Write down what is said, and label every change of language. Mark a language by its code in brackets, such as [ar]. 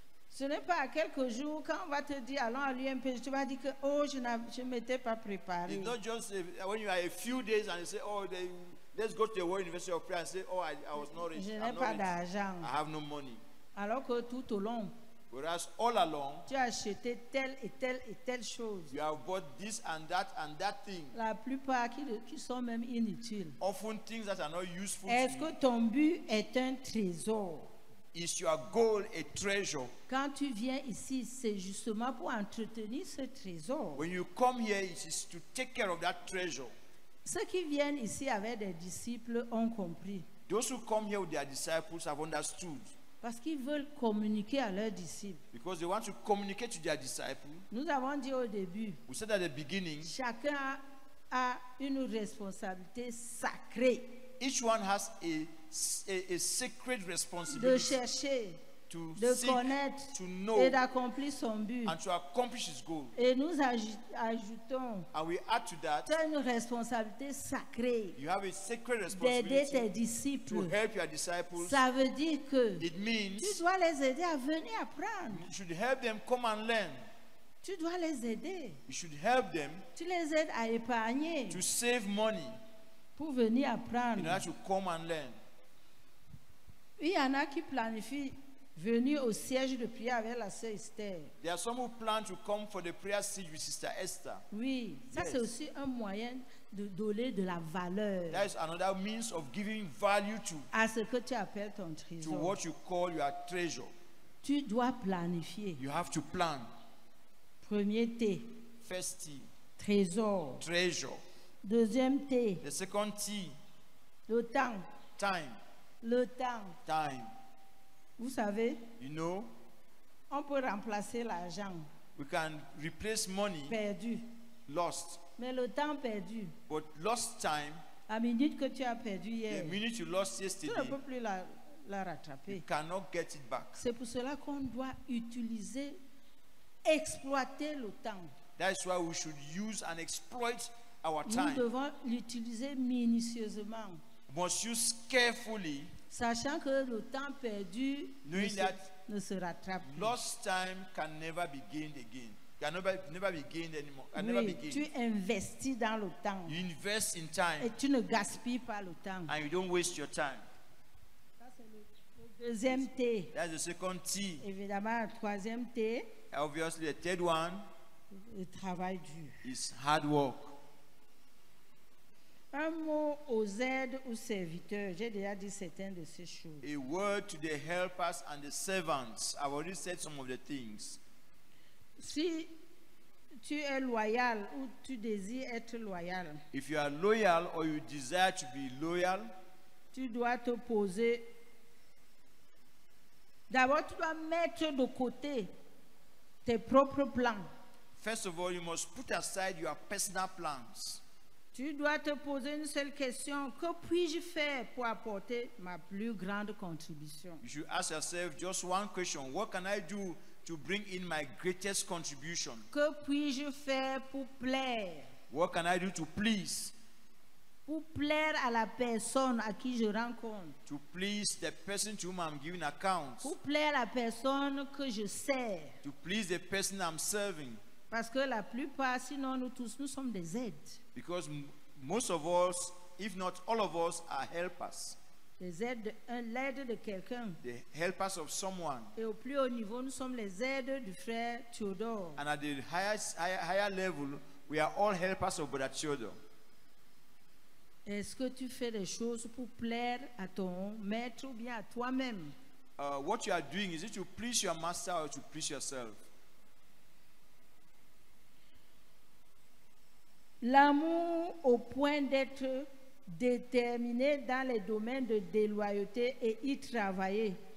[fr] Ce n'est pas à quelques jours quand on va te dire allons à l'UMPJ, tu vas dire que oh je m'étais pas préparé. [en] It's not just when you are a few days and you say oh they, let's go to the World University of Prayer and say oh I was not rich. [fr] Je n'ai pas d'argent. [en] I have no money. [fr] Alors que tout au long. [en] Whereas all along, [fr] tu as acheté telle et telle et telle chose. [en] You have bought this and that thing. [fr] La plupart qui sont même inutiles. [en] Often things that are not useful. [fr] Est-ce que ton but est un trésor? [en] Is your goal a treasure? [fr] Quand tu viens ici, c'est justement pour entretenir ce trésor. [en] When you come here, it is to take care of that treasure. [fr] Ceux qui viennent ici avec des disciples ont compris. [en] Those who come here with their disciples have understood. [fr] Parce qu'ils veulent communiquer à leurs disciples. [en] Because they want to communicate to their disciples. [fr] Nous avons dit au début. [en] We said at the beginning. [fr] Chacun a une responsabilité sacrée. [en] Each one has a sacred responsibility. [fr] De chercher. [en] To [fr] de [en] seek, [fr] connaître. [en] To know. [fr] Et d'accomplir son but. [en] And to accomplish his goal. [fr] Et nous ajoutons. [en] And we add to that. [fr] Tu as une responsabilité sacrée. [en] You have a sacred responsibility. [fr] D'aider tes disciples. [en] To help your disciples. [fr] Ça veut dire que. [en] It means. [fr] Tu dois les aider à venir apprendre. [en] You should help them come and learn. [fr] Tu dois les aider. [en] You should help them. [fr] Tu les aides à épargner. [en] To save money. [fr] Pour venir apprendre. [en] In order to come and learn. [fr] Il y en a qui planifient venir au siège de prière avec la sœur Esther. [en] There are some who plan to come for the prayer siege with Sister Esther. [fr] Oui, ça [en] yes. [fr] C'est aussi un moyen de donner de la valeur. [en] That is another means of giving value to. [fr] À ce que tu appelles ton trésor. [en] To what you call your treasure. [fr] Tu dois planifier. [en] You have to plan. [fr] Premier T. [en] First T. [fr] Trésor. [en] Treasure. [fr] Deuxième T. [en] The second T. [fr] Le temps. [en] Time. [fr] Le temps. [en] Time. [fr] Vous savez. [en] You know. [fr] On peut remplacer l'argent. [en] We can replace money. [fr] Perdu. [en] Lost. [fr] Mais le temps perdu. [en] But lost time. [fr] La minute que tu as perdu hier. [en] The minute you lost yesterday. [fr] Tu ne peux plus la rattraper. [en] You cannot get it back. [fr] C'est pour cela qu'on doit utiliser. Exploiter le temps. [en] That's why we should use and exploit our time. [fr] Nous devons l'utiliser minutieusement. [en] Must use carefully. [fr] Sachant que le temps perdu ne se rattrape plus. [en] Lost time can never be gained again. Can never be gained anymore. Can never be gained. [fr] Tu investis dans le temps. [en] You invest in time. [fr] Et tu ne gaspilles pas le temps. [en] And you don't waste your time. [fr] Deuxième T. [en] That's the second T. [fr] Évidemment, le troisième T. [en] Obviously, the third one. [fr] Le travail dur. [en] Is hard work. [fr] Un mot aux aides ou serviteurs. J'ai déjà dit certaines de ces choses. [en] A word to the helpers and the servants. I've already said some of the things. Si tu es loyal ou tu désires être loyal. If you are loyal or you desire to be loyal. [fr] Tu dois te poser. D'abord, tu dois mettre de côté tes propres plans. [en] First of all, you must put aside your personal plans. [fr] Tu dois te poser une seule question. Que puis-je faire pour apporter ma plus grande contribution? [en] You should ask yourself just one question. What can I do to bring in my greatest contribution? [fr] Que puis-je faire pour plaire? [en] What can I do to please? [fr] Pour plaire à la personne à qui je rencontre. [en] To please the person to whom I'm giving accounts. [fr] Pour plaire à la personne que je sers. [en] To please the person I'm serving. [fr] Parce que la plupart, sinon nous tous, nous sommes des aides. [en] Because most of us, if not all of us, are helpers. [fr] Les aides de l'aide de quelqu'un. [en] The helpers of someone. [fr] Et au plus haut niveau, nous sommes les aides du frère Theodore. [en] And at the higher level, we are all helpers of Brother Theodore. [fr] Est-ce que tu fais des choses pour plaire à ton maître ou bien à toi-même? [en] What you are doing, is it to please your master or to please yourself? [fr] L'amour au point d'être déterminé dans les domaines de déloyauté et y travailler.